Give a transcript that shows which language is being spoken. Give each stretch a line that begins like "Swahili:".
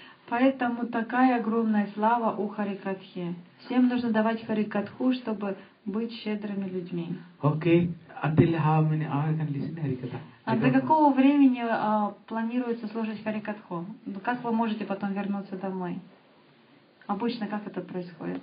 Russian: Поэтому такая огромная слава у Харикатхи. Всем нужно давать Харикатху, чтобы быть щедрыми людьми.
English: Okay. Until how many hours can listen Harikatha?
Russian: А до какого времени планируется слушать Харикатху? Как вы можете потом вернуться домой? Обычно как это происходит?